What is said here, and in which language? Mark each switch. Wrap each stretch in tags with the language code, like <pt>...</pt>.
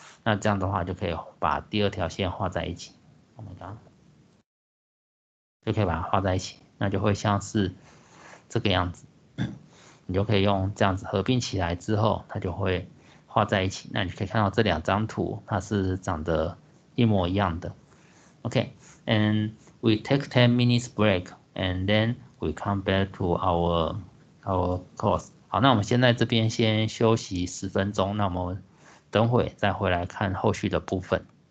<zh>那这样的话就可以把第二条线画在一起，我们刚就可以把它画在一起，那就会像是这个样子，你就可以用这样子合并起来之后，它就会画在一起。那你可以看到这两张图它是长得一模一样的。</zh> <en>OK, and we take 10 minutes break and then we come back to our course.</en> <zh>好，那我们现在这边先休息十分钟，那我们等会再回来看后续的部分。</zh>